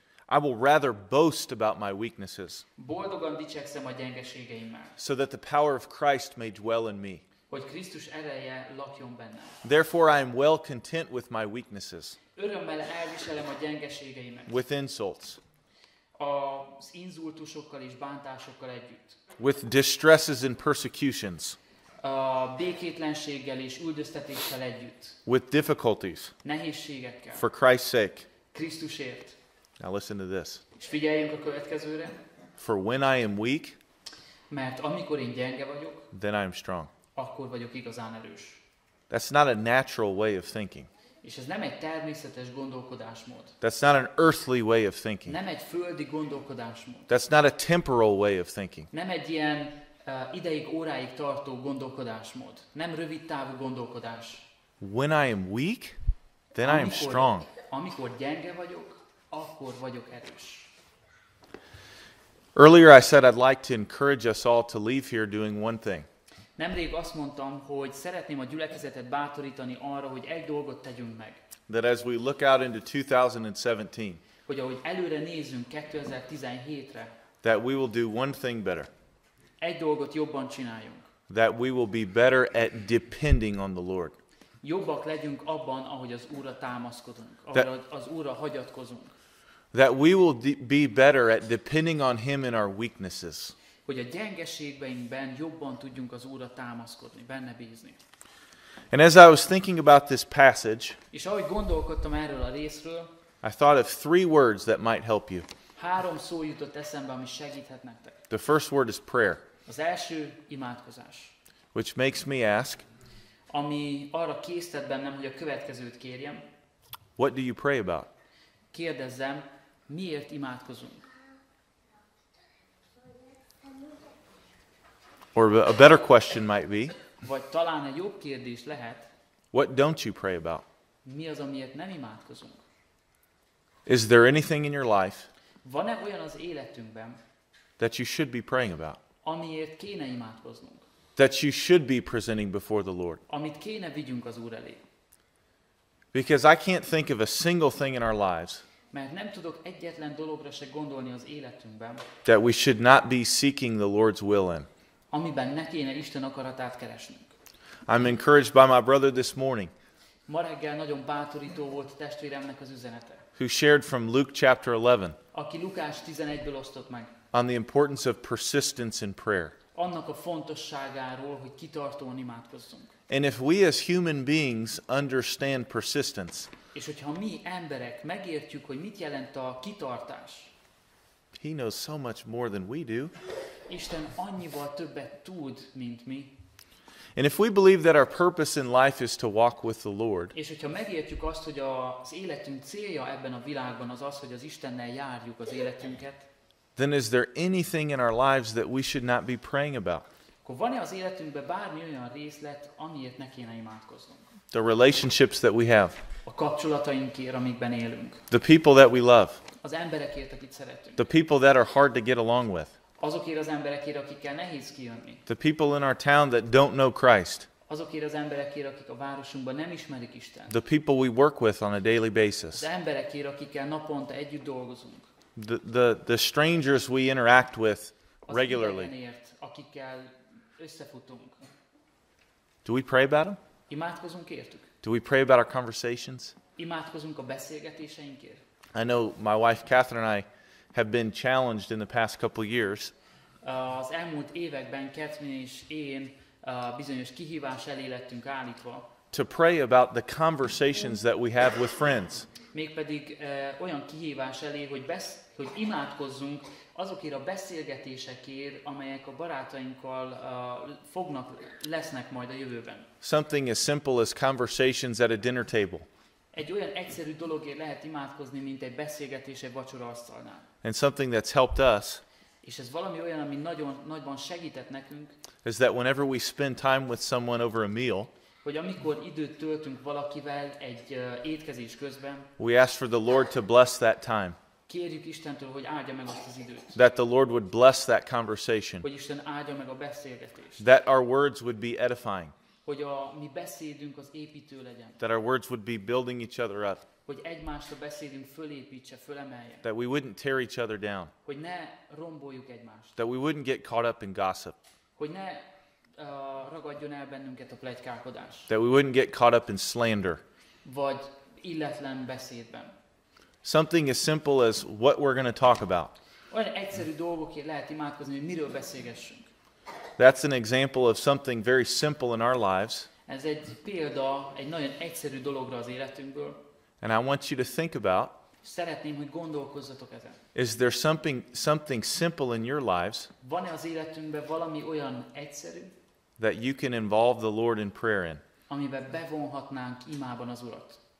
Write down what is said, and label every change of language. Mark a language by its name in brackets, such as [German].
[English] I will rather boast about my weaknesses. [Hungarian] Boldogan dicsekszem a gyengeségeimmel. [English] So that the power of Christ may dwell in me. [Hungarian] hogy Krisztus ereje lakjon bennem. [English] Therefore I am well content with my weaknesses. [Hungarian] Örömmel elviselem a gyengeségeimet. [English] With insults. [Hungarian] Az inzultusokkal és bántásokkal együtt. [English] With distresses and persecutions. [Hungarian] A békétlenséggel és üldöztetéssel együtt. [English] With difficulties. [Hungarian] Nehézségekkel. [English] For Christ's sake. [Hungarian] Krisztusért. [English] Now listen to this. [Hungarian] És figyeljünk a következőre. [English] For when I am weak, [Hungarian] mert amikor én gyenge vagyok, [English] then I am strong. [Hungarian] Akkor vagyok igazán erős. [English] That's not a natural way of thinking. [Hungarian] És ez nem egy természetes gondolkodásmód. [English] That's not an earthly way of thinking. [Hungarian] Nem egy földi gondolkodásmód. [English] That's not a temporal way of thinking. [Hungarian] Nem egy ilyen ideig, óráig tartó gondolkodásmód. Nem rövid távú gondolkodás. [English] When I am weak, then I am strong. [Hungarian] Amikor gyenge vagyok, akkor vagyok erős. [English] Earlier I said I'd like to encourage us all to leave here doing one thing. [Hungarian] Nemrég azt mondtam, hogy szeretném a gyülekezetet bátorítani arra, hogy egy dolgot tegyünk meg. [English] That as we look out into 2017. [Hungarian] Hogy ahogy előre nézünk 2017-re. [English] That we will do one thing better. [Hungarian] Egy dolgot jobban csináljunk. [English] That we will be better at depending on the Lord. [Hungarian] Jobbak legyünk abban, ahogy az Úrra támaszkodunk, ahogy az Úrra hagyatkozunk. [English] That we will be better at depending on Him in our weaknesses. [Hungarian] Hogy a gyengeségeinkben jobban tudjunk az Úrra támaszkodni, benne bízni. [English] And as I was thinking about this passage, [Hungarian] és ahogy gondolkodtam erről a részről, [English] I thought of three words that might help you. [Hungarian] Három szó jutott eszembe, ami segíthet nektek. [English] The first word is prayer. [Hungarian] Az első imádkozás. [English] Which makes me ask, [Hungarian] ami arra késztet bennem, hogy a következőt kérjem. [English] What do you pray about? [Hungarian] Kérdezzem, miért imádkozunk? [English] Or a better question might be, [Hungarian] vagy talán egy jobb kérdés lehet, [English] what don't you pray about? [Hungarian] Mi az, amiért nem imádkozunk? [English] Is there anything in your life, [Hungarian] van-e olyan az életünkben, [English] that you should be praying about? [Hungarian] Amiért kéne imádkoznunk? [English] That you should be presenting before the Lord. [Hungarian] Amit kéne vigyünk az Úr elé. [English] Because I can't think of a single thing in our lives, [Hungarian] mert nem tudok egyetlen dologra se gondolni az életünkben, [English] that we should not be seeking the Lord's will in. [Hungarian] Amiben ne kéne Isten akaratát keresnünk. [English] I'm encouraged by my brother this morning, [Hungarian] ma reggel nagyon bátorító volt testvéremnek az üzenete, [English] who shared from Luke chapter 11, [Hungarian] aki Lukás 11-ből osztott meg, [English] on the importance of persistence in prayer. [Hungarian] Annak a fontosságáról, hogy kitartóan imádkozzunk. [English] And if we as human beings understand persistence, [Hungarian] és hogyha mi emberek megértjük, hogy mit jelent a kitartás, [English] He knows so much more than we do. [Hungarian] Isten annyival többet tud, mint mi. [English] And if we believe that our purpose in life is to walk with the Lord, [Hungarian] és hogyha megértjük azt, hogy az életünk célja ebben a világban az az, hogy az Istennel járjuk az életünket, [English] then is there anything in our lives that we should not be praying about? [Hungarian] Akkor van-e az életünkben bármi olyan részlet, amiért ne kéne imádkoznunk? [English] The relationships that we have. [Hungarian] A kapcsolatainkért, amikben élünk. [English] The people that we love. [Hungarian] Az emberekért, akit szeretünk. [English] The people that are hard to get along with. [Hungarian] Azokért az emberekért, akikkel nehéz kijönni. [English] The people in our town that don't know Christ. [Hungarian] Azokért az emberekért, akik a városunkban nem ismerik Istent. [English] The people we work with on a daily basis. [Hungarian] Az emberekért, akikkel naponta együtt dolgozunk. [English] The strangers we interact with regularly. [Hungarian] Az idegenért, akikkel összefutunk. [English] Do we pray about them? [Hungarian] Imádkozunk értük. [English] Do we pray about our conversations? [Hungarian] Imádkozunk a beszélgetéseinkért. [English] I know my wife Catherine and I have been challenged in the past couple of years. [Hungarian] Az elmúlt években Catherine és én bizonyos kihívás elé lettünk állítva. [English] To pray about the conversations that we have with friends. [Hungarian] Mégpedig olyan kihívás elé, hogy imádkozzunk azokért a beszélgetésekért, amelyek a barátainkkal lesznek majd a jövőben. [English] Something as simple as conversations at a dinner table. [Hungarian] Egy olyan egyszerű dologért lehet imádkozni, mint egy beszélgetés egy vacsoraasztalnál. [English] And something that's helped us. [Hungarian] És ez valami olyan, ami nagyon nagyban segített nekünk. [English] Is that whenever we spend time with someone over a meal, [Hungarian] hogy amikor időt töltünk valakivel egy étkezés közben, [English] we ask for the Lord to bless that time. [Hungarian] Kérjük Istentől, hogy áldja meg azt az időt. [English] That the Lord would bless that conversation. [Hungarian] Hogy Isten áldja meg a beszélgetést. [English] That our words would be edifying. [Hungarian] Hogy a mi beszédünk az építő legyen. [English] That our words would be building each other up. [Hungarian] Hogy egymást a beszédünk fölépítse, fölemelje. [English] That we wouldn't tear each other down. [Hungarian] Hogy ne romboljuk egymást. [English] That we wouldn't get caught up in gossip. [Hungarian] Hogy ne ragadjon el bennünket a pletykálkodás. [English] That we wouldn't get caught up in slander. [Hungarian] Vagy illetlen beszédben. [English] Something as simple as what we're going to talk about. [Hungarian] Olyan egyszerű dolgokért lehet imádkozni, hogy miről beszélgessünk. [English] That's an example of something very simple in our lives. [Hungarian] Ez egy példa egy nagyon egyszerű dologra az életünkből. [English] And I want you to think about, [Hungarian] szeretném, hogy gondolkozzatok ezen. [English] Is there something simple in your lives? [Hungarian] Van-e az életünkben valami olyan egyszerű? [English] That you can involve the Lord in prayer in. [Hungarian] Amiben bevonhatnánk imában az Urat.